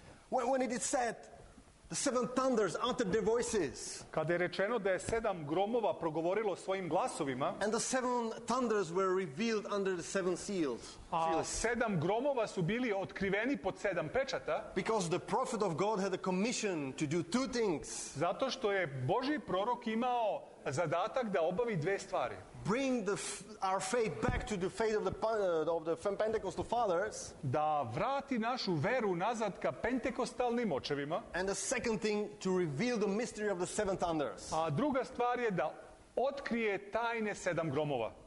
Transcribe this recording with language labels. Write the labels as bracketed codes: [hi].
[en] When it is said, the seven thunders uttered their voices. [sr] Kada je rečeno da je sedam gromova progovorilo svojim glasovima. [en] And the seven thunders were revealed under the seven seals. [sr] A sedam gromova su bili otkriveni pod sedam pečata. [en] Because the prophet of God had a commission to do two things. [sr] Zato što je Božji prorok imao zadatak da obavi dve stvari. [en] Bring our faith back to the faith of the Pentecostal fathers. [sr] Da vrati našu veru nazad ka pentekostalnim očevima. [en] And the second thing, to reveal the mystery of the seven thunders. [sr] A druga stvar je da otkrije tajne sedam gromova.